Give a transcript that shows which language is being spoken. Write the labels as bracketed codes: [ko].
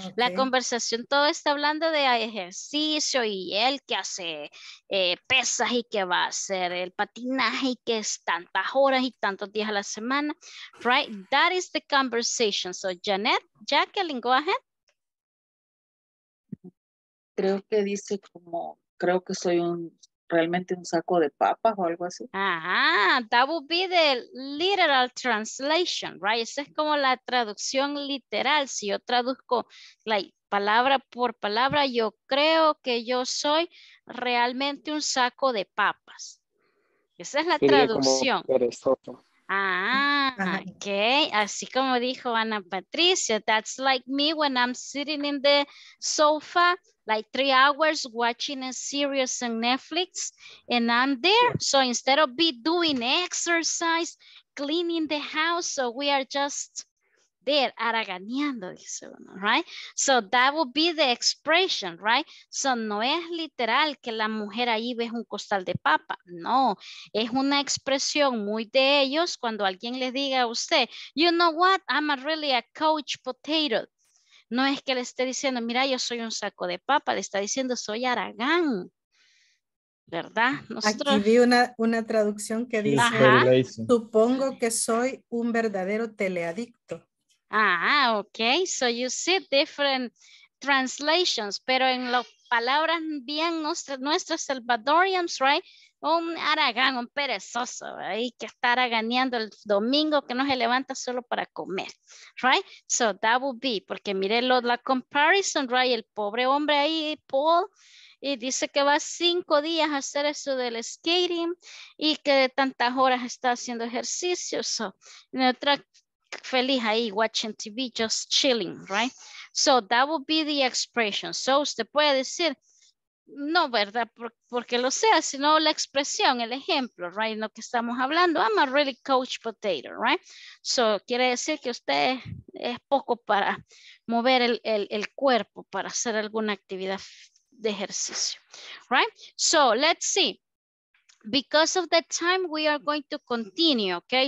[es] La conversación todo está hablando de ejercicio y el que hace pesas y que va a hacer el patinaje y que es tantas horas y tantos días a la semana. [en] Right. That is the conversation. So, Janet, Jacqueline, go ahead. [es] Creo que dice como, creo que soy un, realmente un saco de papas o algo así. [en] Ajá, that would be the literal translation, right? [es] Esa es como la traducción literal. Si yo traduzco like, palabra por palabra, yo creo que yo soy realmente un saco de papas. Esa es la traducción. Ah, okay. Así como dijo Ana Patricia, [en] that's like me when I'm sitting in the sofa, like 3 hours watching a series on Netflix, and I'm there. So instead of be doing exercise, cleaning the house, so we are just there, araganeando, right? So that would be the expression, right? [es] So no es literal que la mujer ahí ve un costal de papa. No, es una expresión muy de ellos cuando alguien le diga a usted, [en] you know what, I'm a really a couch potato. [es] No es que le esté diciendo, mira, yo soy un saco de papa. Le está diciendo, soy aragán. ¿Verdad? Nosotros... Aquí vi una traducción que dice, ajá, supongo que soy un verdadero teleadicto. [en] Ah, ok. So you see different translations, [es] pero en las palabras bien nuestras [en] salvadorians, right? [es] Un aragán, un perezoso, ahí que está araganeando el domingo, que no se levanta solo para comer, right? [en] So that would be, [es] porque mire la [en] comparison, right? [es] El pobre hombre ahí, Paul, y dice que va 5 días a hacer eso del skating y que de tantas horas está haciendo ejercicio. [en] So, [es] en otra feliz ahí, [en] watching TV, just chilling, right? So that would be the expression. So [es] usted puede decir, no, ¿verdad? Porque lo sea, sino la expresión, el ejemplo, right? Lo que estamos hablando, [en] I'm a really couch potato, [es] right? So quiere decir que usted es poco para mover el cuerpo, para hacer alguna actividad de ejercicio, right? [en] So let's see. Because of the time, we are going to continue, okay?